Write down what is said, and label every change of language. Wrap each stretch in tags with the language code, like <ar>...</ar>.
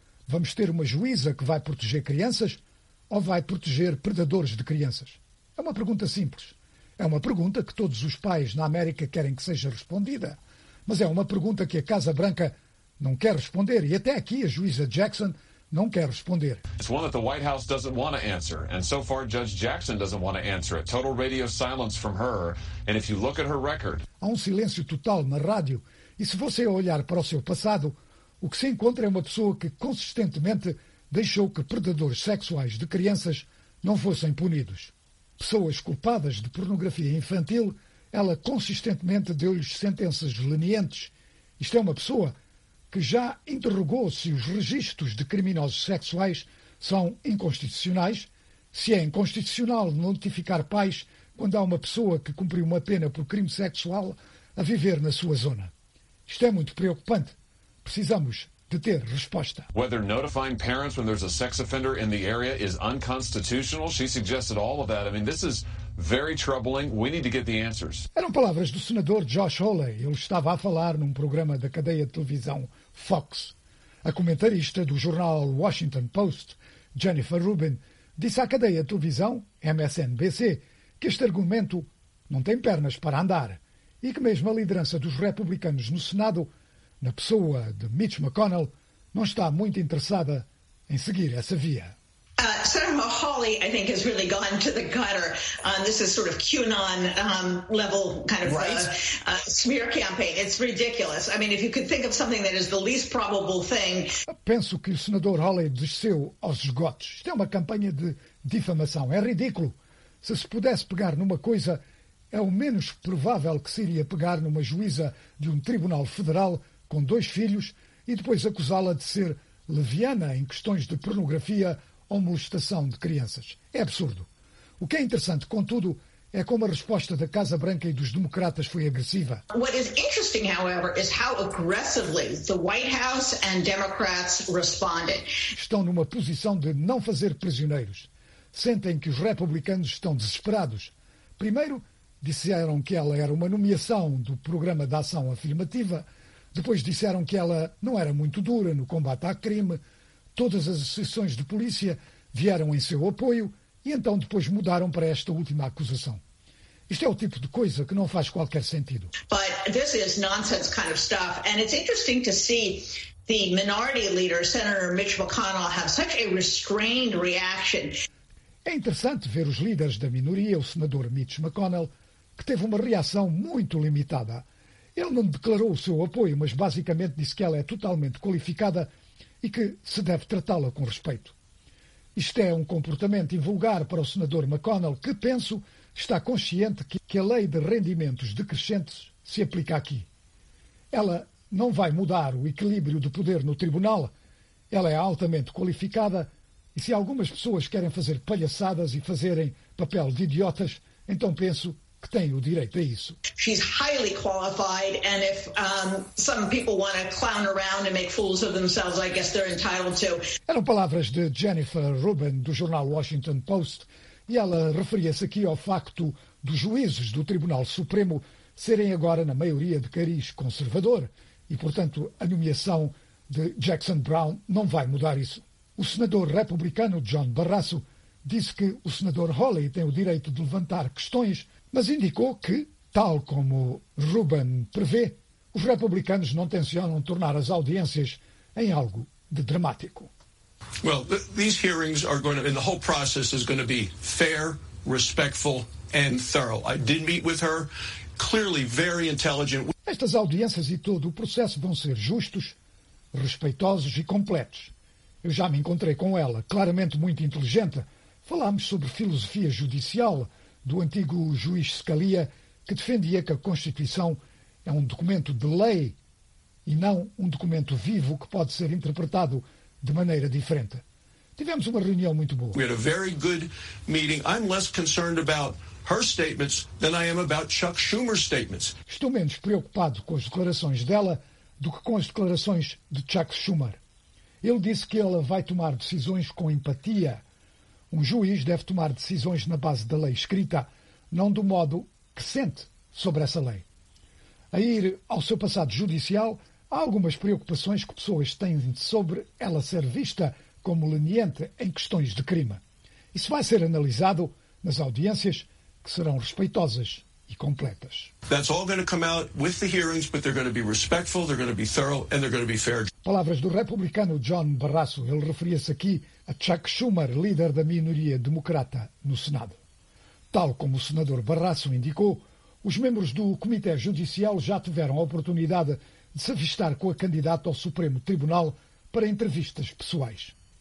<pt>Vamos ter uma juíza que vai proteger crianças ou vai proteger predadores de crianças? É uma pergunta simples. É uma pergunta que todos os pais na América querem que seja respondida. Mas é uma pergunta que a Casa Branca não quer responder. E até aqui a juíza Jackson não quer responder.</pt> <en>It's one that the White House doesn't want to answer, and so far Judge Jackson doesn't want to answer it. Total radio silence from her, and if you look at her record.</en> <pt>Há um silêncio total na rádio, e se você olhar para o seu passado, o que se encontra é uma pessoa que consistentemente deixou que predadores sexuais de crianças não fossem punidos. Pessoas culpadas de pornografia infantil, ela consistentemente deu-lhes sentenças lenientes. Isto é uma pessoa que já interrogou se os registros de criminosos sexuais são inconstitucionais, se é inconstitucional notificar pais quando há uma pessoa que cumpriu uma pena por crime sexual a viver na sua zona. Isto é muito preocupante. Precisamos de ter resposta.</pt> <en>Whether notifying parents when there's a sex offender in the area is unconstitutional, she suggested all of that. I mean, this is very troubling. We need to get the answers.</en> <pt>Eram palavras do senador Josh Hawley. Ele estava a falar num programa da cadeia de televisão Fox. A comentarista do jornal Washington Post, Jennifer Rubin, disse à cadeia de televisão MSNBC que este argumento não tem pernas para andar e que mesmo a liderança dos republicanos no Senado, na pessoa de Mitch McConnell, não está muito interessada em seguir essa via.</pt> <en>Senator Mahaly, I think, has really gone to the gutter. This is sort of QAnon level kind of smear campaign. It's ridiculous. I mean, if you could think of something that is the least probable thing.</en> <pt>Penso que o senador Hawley desceu aos esgotos. Isto é uma campanha de difamação. É ridículo. Se se pudesse pegar numa coisa, é o menos provável que se iria pegar numa juíza de um tribunal federal com dois filhos e depois acusá-la de ser leviana em questões de pornografia ou molestação de crianças. É absurdo. O que é interessante, contudo, é como a resposta da Casa Branca e dos democratas foi agressiva.</pt> <en>What is interesting, however, is how aggressively the White House and Democrats responded.</en> <pt>Estão numa posição de não fazer prisioneiros. Sentem que os republicanos estão desesperados. Primeiro, disseram que ela era uma nomeação do programa de ação afirmativa. Depois disseram que ela não era muito dura no combate ao crime. Todas as associações de polícia vieram em seu apoio e então depois mudaram para esta última acusação. Isto é o tipo de coisa que não faz qualquer sentido.</pt> <en>But this is nonsense kind of stuff, and it's interesting to see the minority leader, Senator Mitch McConnell, have such a restrained reaction.</en> <pt>É interessante ver os líderes da minoria, o senador Mitch McConnell, que teve uma reação muito limitada. Ele não declarou o seu apoio, mas basicamente disse que ela é totalmente qualificada e que se deve tratá-la com respeito. Isto é um comportamento invulgar para o senador McConnell, que, penso, está consciente que a lei de rendimentos decrescentes se aplica aqui. Ela não vai mudar o equilíbrio de poder no tribunal. Ela é altamente qualificada e se algumas pessoas querem fazer palhaçadas e fazerem papel de idiotas, então penso que tem o direito a isso.</pt> <en>She's highly qualified, and if some people want to clown around and make fools of themselves, I guess they're entitled to.</en> <pt>Eram palavras de Jennifer Rubin, do jornal Washington Post, e ela referia-se aqui ao facto dos juízes do Tribunal Supremo serem agora, na maioria, de cariz conservador, e, portanto, a nomeação de Jackson Brown não vai mudar isso. O senador republicano John Barrasso disse que o senador Hawley tem o direito de levantar questões, mas indicou que, tal como Rubin prevê, os republicanos não tencionam tornar as audiências em algo de dramático.</pt> <en>Well, these hearings are going to, and the whole process is going to be fair, respectful and thorough. I did meet with her, clearly very intelligent.</en> <pt>Estas audiências e todo o processo vão ser justos, respeitosos e completos. Eu já me encontrei com ela, claramente muito inteligente. Falámos sobre filosofia judicial do antigo juiz Scalia, que defendia que a Constituição é um documento de lei e não um documento vivo que pode ser interpretado de maneira diferente. Tivemos uma reunião muito boa.</pt> <en>We had a very good meeting. I'm less concerned about her statements than I am about Chuck Schumer's statements.</en> <pt>Estou menos preocupado com as declarações dela do que com as declarações de Chuck Schumer. Ele disse que ela vai tomar decisões com empatia. Um juiz deve tomar decisões na base da lei escrita, não do modo que sente sobre essa lei. a ir ao seu passado judicial, há algumas preocupações que pessoas têm sobre ela ser vista como leniente em questões de crime. Isso vai ser analisado nas audiências, que serão respeitosas e completas.</pt> <en>That's all going to come out with the hearings, but they're going to be respectful, they're going to be thorough, and they're going to be fair.</en> <pt>Palavras do republicano John Barrasso. Ele referia-se aqui a Chuck Schumer, líder da minoria democrata no Senado. Tal como o senador Barrasso indicou, os membros do Comitê Judicial já tiveram a oportunidade de se avistar com a candidata ao Supremo Tribunal para entrevistas pessoais.</pt>